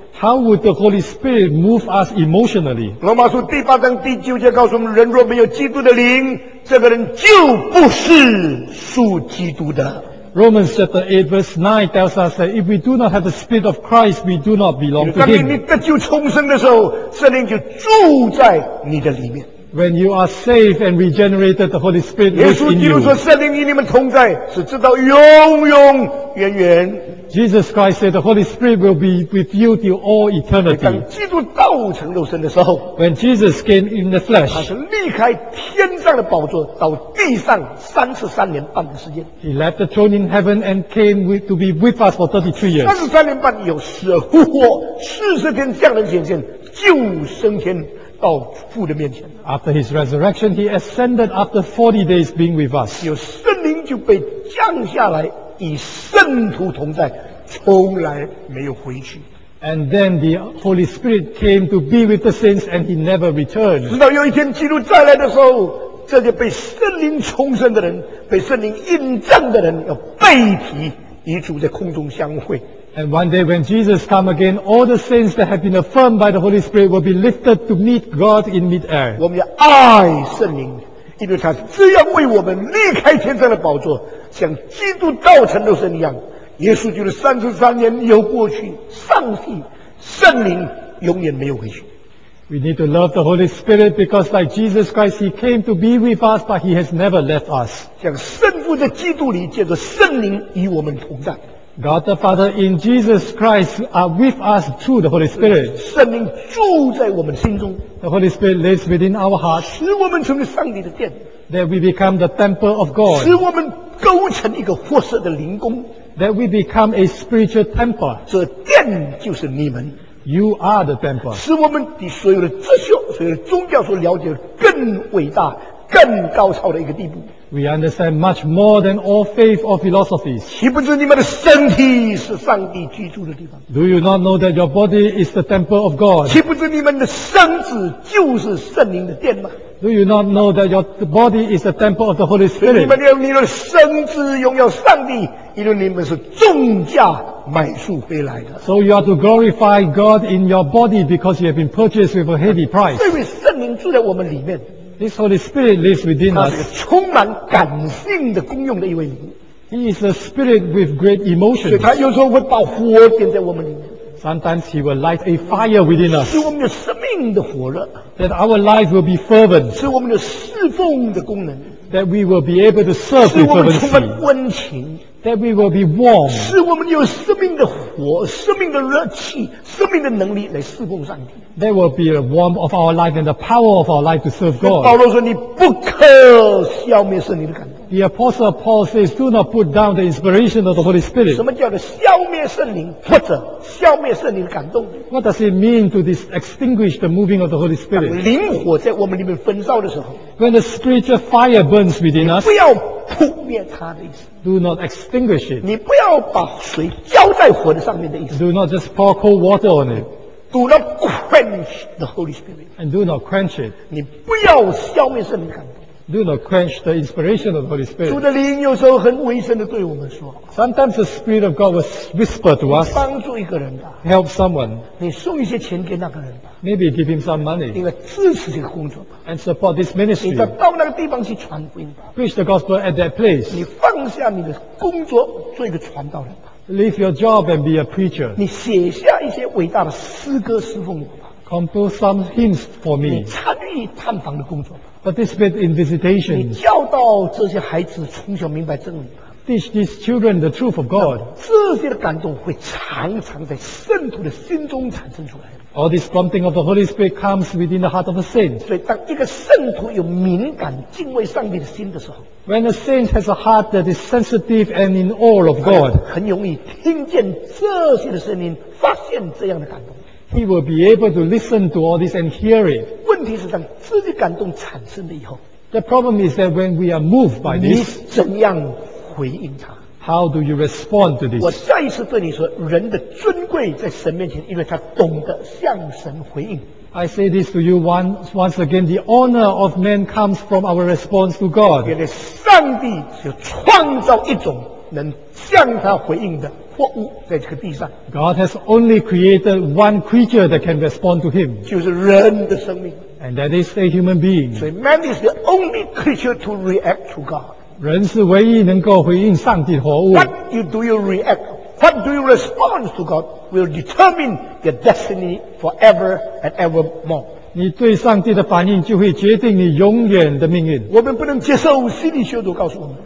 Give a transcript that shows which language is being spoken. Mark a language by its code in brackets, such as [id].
[en] How would the Holy Spirit move us emotionally? [zh] 罗马书第八章第九节告诉我们，人若没有基督的灵，这个人就不是属基督的。 [en] Romans chapter 8 verse 9 tells us that if we do not have the Spirit of Christ, we do not belong to Him. [zh] 当你得救重生的时候，圣灵就住在你的里面。 [en] When you are saved and regenerated, the Holy Spirit lives in you. [zh] 耶稣基督说，圣灵与你们同在，是直到永永永远。 [en] Jesus Christ said the Holy Spirit will be with you till all eternity. [zh] 当基督道成肉身的时候 [en] ，When Jesus came in the flesh， [zh] 他是离开天上的宝座到地上33年半的时间。 [en] He left the throne in heaven and came with, to be with us for 33 years. [zh] 33年半有死而复活，40天降临显现，就升天。到父的面前。 [en] After his resurrection, he ascended after 40 days being with us. [zh] 有圣灵就被降下来，与圣徒同在，从来没有回去。 [en] And then the Holy Spirit came to be with the saints, and he never returned. [zh] 直到有一天基督再来的时候，这些被圣灵重生的人，被圣灵印证的人，要背提与主在空中相会。 [en] And one day when Jesus come again, all the saints that have been affirmed by the Holy Spirit will be lifted to meet God in mid-air. [zh] 我们要爱圣灵，因为他这样为我们离开天上的宝座，像基督道成肉身一样。耶稣就是33年又过去，上帝、圣灵永远没有回去。 [en] We need to love the Holy Spirit because like Jesus Christ, He came to be with us, but He has never left us. [zh] 像圣父在基督里，借着圣灵与我们同在。 [en] God the Father in Jesus Christ are with us through the Holy Spirit. [zh] 圣灵住在我们心中。 [en] The Holy Spirit lives within our hearts. [zh] 使我们成为上帝的殿。 [en] That we become the temple of God. [zh] 使我们构成一个活色的灵宫。 [en] That we become a spiritual temple. [zh] 这殿就是你们。 [en] You are the temple. [zh] 使我们比所有的哲学、所有的宗教所了解的更伟大、更高超的一个地步。 [en] We understand much more than all faith or philosophies. [zh] 岂不知你们的身体是上帝居住的地方？ [en] Do you not know that your body is the temple of God? [zh] 岂不知你们的身子就是圣灵的殿吗？ [en] Do you not know that your body is the temple of the Holy Spirit? [zh] 你们用你的身子荣耀上帝，因为你们是重价买赎回来的。 [en] So you are to glorify God in your body because you have been purchased with a heavy price. [zh] 这位圣灵住在我们里面。 [en] This Holy Spirit lives within us. [zh] 他是个充满感性的功用的一位灵。 [en] He is a spirit with great emotions. [zh] 所以他有时候会把火点在我们里面。 [en] Sometimes he will light a fire within us. [zh] 使我们有生命的火热。 [en] That our life will be fervent. [zh] 使我们有侍奉的功能。 [en] That we will be able to serve with fervency. [zh] 使我们充满温情。 [en] That we will be warm. [zh] 使我们有生命的火、生命的热气、生命的能力来侍奉上帝。 [en] There will be a warmth of our life and the power of our life to serve God. [zh] 保罗说：“你不可消灭圣灵的感动。” [en] The Apostle Paul says, "Do not put down the inspiration of the Holy Spirit." [zh] 什么叫做消灭圣灵，或者消灭圣灵的感动？ [en] What does it mean to this extinguish the moving of the Holy Spirit? [zh] 当灵火在我们里面焚烧的时候， [en] When the spiritual fire burns within us, [zh] 不要扑灭它的意思。 [en] Do not extinguish it. [zh] 你不要把水浇在火的上面的意思。 [en] Do not just pour cold water on it. Do not quench the Holy Spirit. And do not quench it. [zh] 你不要消灭圣灵的感动。 [en] Do not quench the inspiration of the Holy Spirit. [zh] 主的灵有时候很微声地对我们说。 [en] Sometimes the Spirit of God will whisper to us. [zh] 帮助一个人吧。 [en] Help someone. [zh] 你送一些钱给那个人吧。 [en] Maybe give him some money. [zh] 你来支持这个工作吧。 [en] And support this ministry. [zh] 你到那个地方去传福音吧。 [en] Preach the gospel at that place. [zh] 你放下你的工作，做一个传道人吧。 [en] Leave your job and be a preacher. [zh] 你写下一些伟大的诗歌侍奉我吧。 [en] Compose some hymns for me. [zh] 你参与探访的工作吧。 [en] Participate in visitation. [zh] 你教导这些孩子从小明白真理。 [en] Teach these children the truth of God. [zh] 这些的感动会常常在圣徒的心中产生出来。 [en] All this prompting of the Holy Spirit comes within the heart of a saint. [zh] 所以当一个圣徒有敏感敬畏上帝的心的时候， [en] When a saint has a heart that is sensitive and in awe of God, [zh] 很容易听见这些的声音，发现这样的感动。 [en] He will be able to listen to all this and hear it. [zh] 问题是当这些感动产生了以后， [en] The problem is that when we are moved by this, [zh] 你怎样回应它？ [en] How do you respond to this? [zh] 我再一次对你说，人的尊贵在神面前，因为他懂得向神回应。 [en] I say this to you once again, the honor of man comes from our response to God. [zh] 原来上帝是创造一种能向他回应的货物在这个地上。 [en] God has only created one creature that can respond to him. [zh] 就是人的生命。 [en] And that is a human being. [zh] 所以 [en] man is the only creature to react to God. [zh] 人是唯一能够回应上帝的活物。 [en] What do you react? What do you respond to God will determine your destiny forever and evermore. [zh] 你对上帝的反应就会决定你永远的命运。我们不能接受心理学所告诉我们。